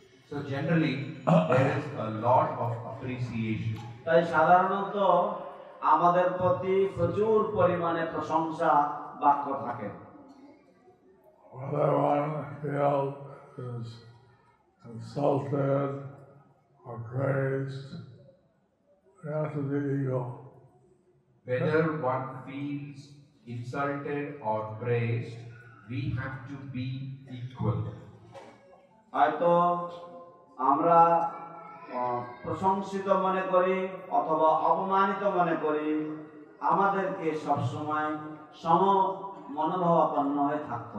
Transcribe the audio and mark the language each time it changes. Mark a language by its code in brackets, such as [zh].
[en] So generally, there is a lot of appreciation. [bn] তাই সাধারণত আমাদের প্রতি প্রচুর পরিমাণে প্রশংসা বাক্য থাকে. [en] Whether one felt is insulted or praised, that is the ego. Whether one feels insulted or praised, we have to be equal. [bn] হয়তো আমরা প্রশংসিত মনে করি অথবা অপমানিত মনে করি আমাদেরকে সবসময় সম মনোভাবাপন্ন হয়ে থাকতে